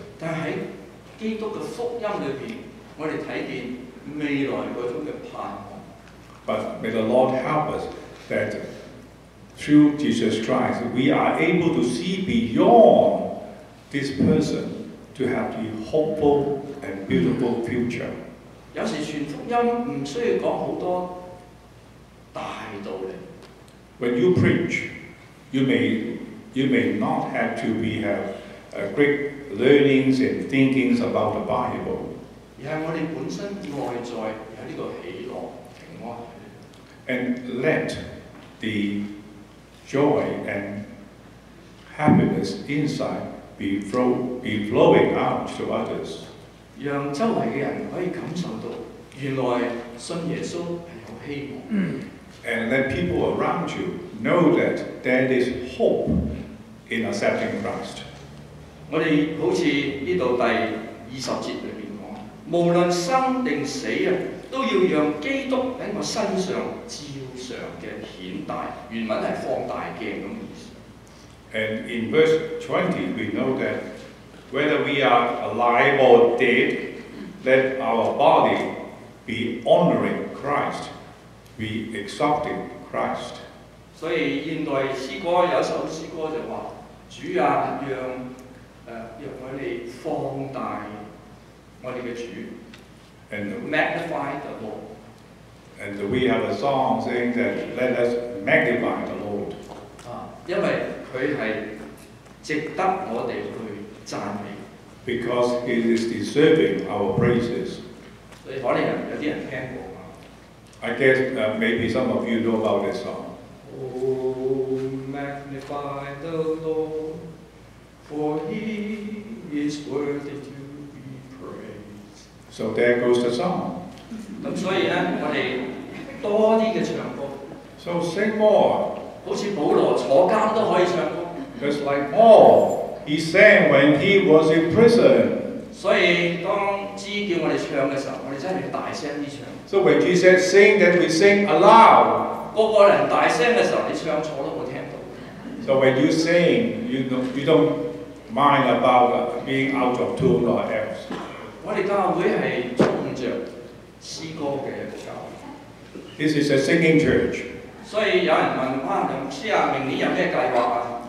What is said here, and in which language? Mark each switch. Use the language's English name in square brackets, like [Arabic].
[English] But may the Lord help us that through Jesus Christ, we are able to see beyond this person to have the hopeful and beautiful future. [Cantonese] 有時傳福音唔需要講好多大道理。 [English] When you preach, you may not have to be have a great learnings and thinkings about the Bible. [Cantonese] 而係我哋本身內在有呢個喜樂平安。 [English] And let the joy and happiness inside be flowing out to others. [Cantonese] 讓周圍嘅人可以感受到原來信耶穌係有希望。 [English] And let people around you know that there is hope in accepting Christ. [Cantonese] 我哋好似呢度第二十節裏邊講，無論生定死啊，都要讓基督喺我身上照常嘅顯大。原文係放大鏡咁意思。 [English] And in verse 20, we know that whether we are alive or dead, let our body be honoring Christ, be exalting Christ. [Cantonese] 所以現代詩歌有首詩歌就話：主啊，讓我哋放大我哋嘅主。 [English] And magnify the Lord. And we have a song saying that let us magnify the Lord. [Cantonese] 因為佢係值得我哋去讚美。 [English] Because he is deserving our praises. [Cantonese] 所以可能有啲人聽過嘛。 [English] I guess maybe some of you know about this song. Oh, magnify the Lord, for he is worthy to be praised. So there goes the song. [Cantonese] 咁所以咧，我哋多啲嘅唱歌。 [English] So sing more. [Cantonese] 好似保羅坐監都可以唱歌。 [English] Just like Paul, he sang when he was in prison. [Cantonese] 所以當主叫我哋唱嘅時候，我哋真係要大聲啲唱。 [English] So when Jesus said sing, then we sing aloud. [Cantonese] 個個人大聲嘅時候，你唱錯都冇聽到。 [English] So when you sing, you don't mind about being out of tune or else. [Cantonese] 我哋教會係重著詩歌嘅教會。 [English] This is a singing church. [Cantonese] 所以有人問啊，梁牧師啊，明年有咩計劃啊